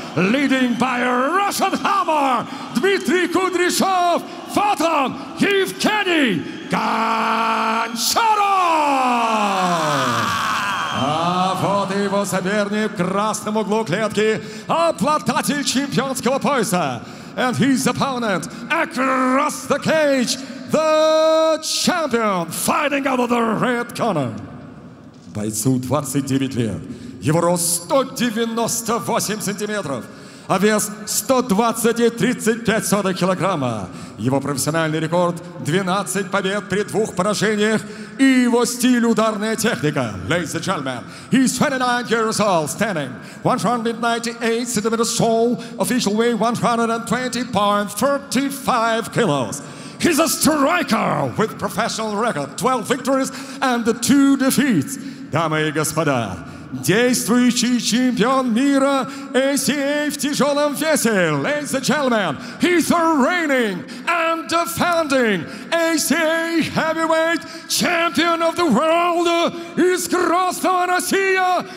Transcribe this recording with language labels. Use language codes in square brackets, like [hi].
[en] Leading by Russian Hammer, Дмитрий Кудряшов, [ru] вот он, [en] Евгений Гончаров! [ru] А вот и его соперник в красном углу клетки, обладатель чемпионского пояса. [en] And his opponent across the cage, the champion fighting out of the red corner. [ru] Бойцу 29 лет. Его рост 198 сантиметров, а вес 120,35 килограмма. Его профессиональный рекорд – 12 побед при 2 поражениях и его стиль – ударная техника. [en] Ladies and gentlemen, he's 29 years old, standing 198 centimeters tall, official weight 120.35 kilos. He's a striker with professional record, 12 victories and 2 defeats. [ru] Дамы и господа, действующий чемпион мира ACA в тяжелом весе. [en] Ladies and gentlemen, he's the reigning and defending ACA Heavyweight Champion of the World [ru] из Красного Россия.